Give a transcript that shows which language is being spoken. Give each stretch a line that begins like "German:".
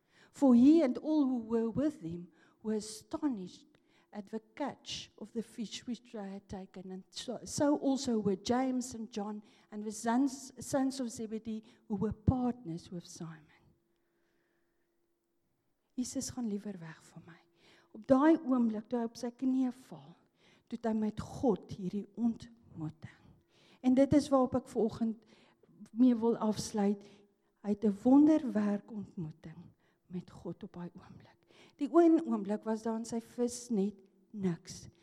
English: For he and all who were with him were astonished at the catch of the fish which they had taken. And so also were James and John and the sons of Zebedee, who were partners with Simon.
Afrikaans: Jesus, gaan liever weg van my. Op daai oomblik toe hy op sy knieë val, toe hy met God hierdie ontmoeting. En dit is waarop ek vanoggend mee wil afsluit. Hy het 'n wonderwerk ontmoeting met God op daai oomblik. Die een oomblik was daar in sy vis net niks.